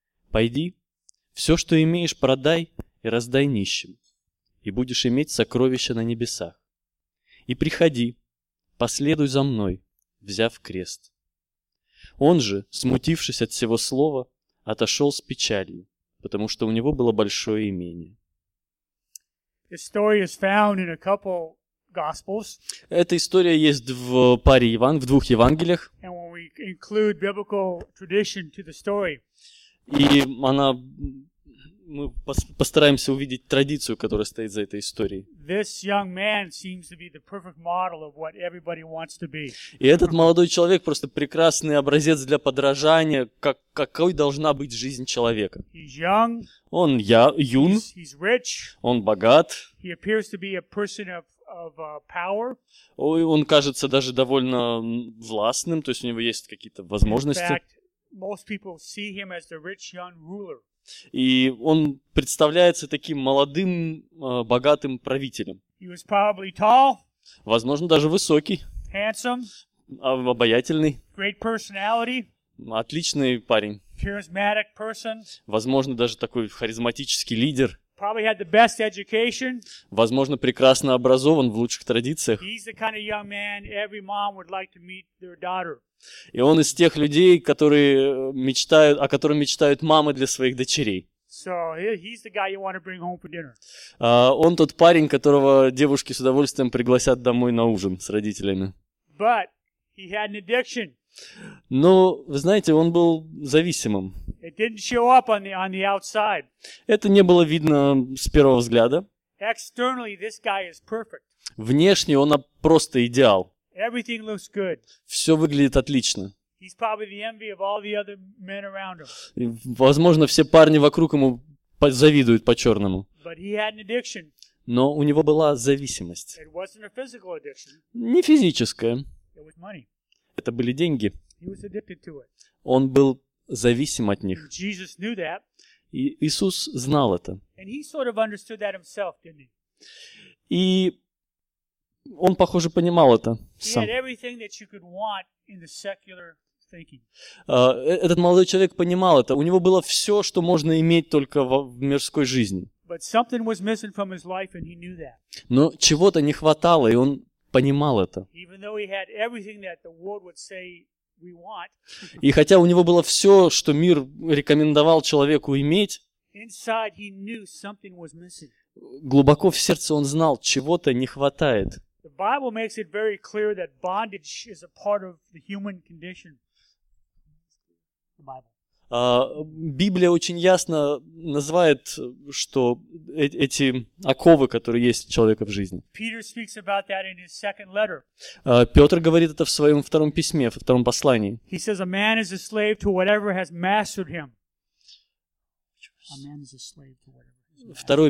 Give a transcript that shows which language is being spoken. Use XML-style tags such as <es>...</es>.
<ru>Пойди, все, что имеешь, продай и раздай нищим, и будешь иметь сокровища на небесах. И приходи, последуй за мной, взяв крест». Он же, смутившись от сего слова, отошел с печалью, потому что у него было большое имение.</ru> <en>The story is found in a couple gospels.</en> <ru>Эта история есть в паре в двух Евангелиях.</ru> <en>And when we include biblical tradition to the story.</en> <ru>И она, мы постараемся увидеть традицию, которая стоит за этой историей.</ru> <en>This young man seems to be the perfect model of what everybody wants to be.</en> <ru>И этот молодой человек просто прекрасный образец для подражания, какой должна быть жизнь человека.</ru> <en>He's young.</en> <ru>Он юн.</ru> <en>He's rich.</en> <ru>Он богат.</ru> <en>He appears to be a person of power.</en> <ru>Ой, он кажется даже довольно властным, то есть у него есть какие-то возможности.</ru> <en>In fact, most people see him as the rich young ruler.</en> <ru>И он представляется таким молодым, богатым правителем.</ru> <en>He was probably tall,</en> <ru>возможно, даже высокий.</ru> <en>Handsome,</en> <ru>обаятельный.</ru> <en>Great personality,</en> <ru>отличный парень.</ru> <en>Charismatic person,</en> <ru>возможно, даже такой харизматический лидер.</ru> <en>Probably had the best education.</en> <ru>Возможно, прекрасно образован в лучших традициях.</ru> <en>He's the kind of young man every mom would like to meet their daughter.</en> <ru>И он из тех людей, которые мечтают, о котором мечтают мамы для своих дочерей.</ru> <en>So he's the guy you want to bring home for dinner.</en> <ru>Он тот парень, которого девушки с удовольствием пригласят домой на ужин с родителями.</ru> <en>But he had an addiction.</en> <ru>Но, вы знаете, он был зависимым.</ru> <en>It didn't show up on the outside.</en> <ru>Это не было видно с первого взгляда.</ru> <en>Externally, this guy is perfect.</en> <ru>Внешне он просто идеал.</ru> <en>Everything looks good.</en> <ru>Все выглядит отлично.</ru> <en>He's probably the envy of all the other men around him.</en> <ru>И, возможно, все парни вокруг ему завидуют по-черному.</ru> <en>But he had an addiction.</en> <ru>Но у него была зависимость.</ru> <en>It wasn't a physical addiction.</en> <ru>Не физическая.</ru> <en>It was money.</en> <ru>Это были деньги.</ru> <en>He was addicted to it.</en> <ru>Он был зависим от них.</ru> <en>Jesus knew that.</en> <ru>И Иисус знал это.</ru> <en>And he sort of understood that himself, didn't he?</en> <ru>И он, похоже, понимал это сам.</ru> <en>He had everything that you could want in the secular thinking.</en> <ru>Этот молодой человек понимал это. У него было все, что можно иметь только в мирской жизни.</ru> <en>But something was missing from his life, and he knew that.</en> <ru>Но чего-то не хватало, и он понимал это.</ru> <en>Even though he had everything that the world would say we want,</en> <ru>и хотя у него было все, что мир рекомендовал человеку иметь,</ru> <en>inside he knew something was missing.</en> <ru>Глубоко в сердце он знал, чего-то не хватает.</ru> <en>The Bible makes it very clear that bondage is a part of the human condition. The Bible.</en> <ru>Библия очень ясно называет, что эти оковы, которые есть у человека в жизни.</ru> <en>Peter speaks about that in his second letter.</en> <ru>Петр говорит это в своем втором письме, в втором послании.</ru> <en>He says, a man is a slave to whatever has mastered him. A man is a slave to whatever has mastered him.</en>